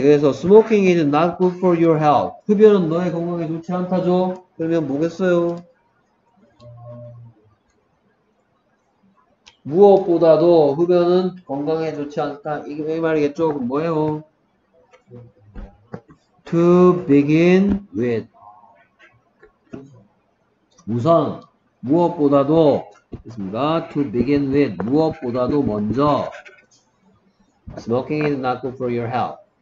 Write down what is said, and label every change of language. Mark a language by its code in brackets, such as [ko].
[ko] 그래서 [en] smoking is not good for your health. [ko] 흡연은 너의 건강에 좋지 않다죠. 그러면 뭐겠어요? 무엇보다도 흡연은 건강에 좋지 않다. 이게 왜 말이겠죠? 그럼 뭐예요? [en] To begin with. [ko] 우선 무엇보다도 있습니다. [en] To begin with. [ko] 무엇보다도 먼저 [en] smoking is not good for your health.